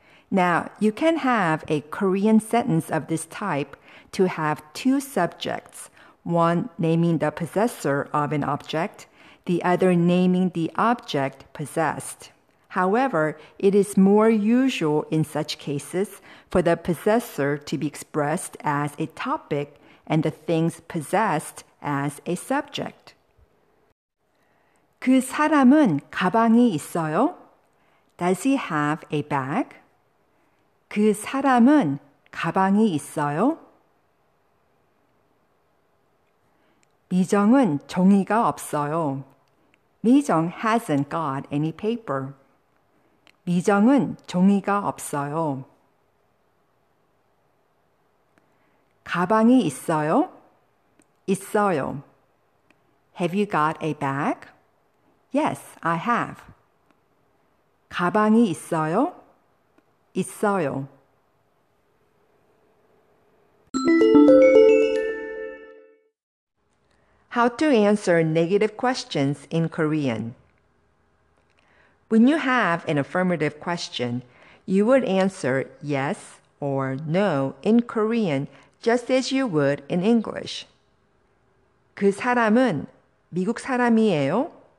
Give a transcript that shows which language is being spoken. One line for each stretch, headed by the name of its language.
English: Now, you can have a Korean sentence of this type to have two subjects, one naming the possessor of an object, the other naming the object possessed. However, it is more usual in such cases for the possessor to be expressed as a topic and the things possessed as a subject.
Korean: 그 사람은 가방이 있어요?
English: Does he have a bag?
Korean: 그 사람은 가방이 있어요? 미정은 종이가 없어요.
English: 미정 hasn't got any paper.
Korean: 미정은 종이가 없어요. 가방이 있어요? 있어요.
English: Have you got a bag? Yes, I have.
Korean: 가방이 있어요? 있어요.
English: How to answer negative questions in Korean. When you have an affirmative question, you would answer yes or no in Korean just as you would in English.
Korean: 그 사람은 미국 사람이에요?